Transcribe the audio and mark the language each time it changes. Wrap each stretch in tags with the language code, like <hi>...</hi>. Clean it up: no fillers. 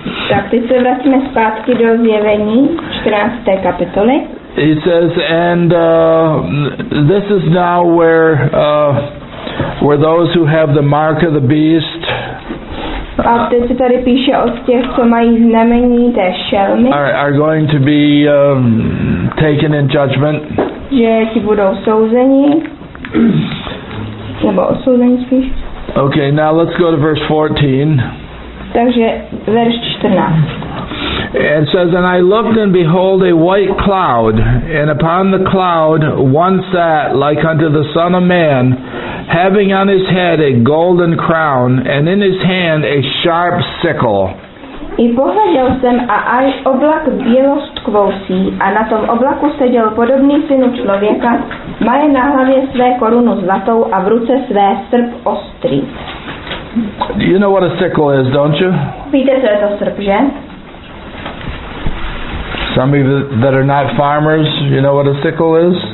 <cs>Tak teď se vracíme zpátky do Zjevení 14. kapitoly.</cs> <en>He says, and this is now where those who have the mark of the beast.</en> <cs>A teď se tady píše o těch, co mají znamení té šelmy.</cs> <en>Are going to be taken in judgment.</en> <cs>že ti budou souzeni. Nebo souzeni spíš.</cs> <en>Okay, now let's go to verse 14.</en> <cs>Takže verš 14.</cs> <en>It says, and I looked, and behold, a white cloud, and upon the cloud one sat like unto the Son of Man, having on his head a golden crown, and in his hand a sharp sickle.</en> <cs>I pohleděl jsem, a až oblak bělost kvousí, a na tom oblaku seděl podobný synu člověka, maje na hlavě své korunu zlatou a v ruce své srp ostrý.</cs> <en>You know what a sickle is, don't you?</en> <cs>Víte, co je to srp, že?</cs> <en>Some of you that are not farmers, you know what a sickle is?</en>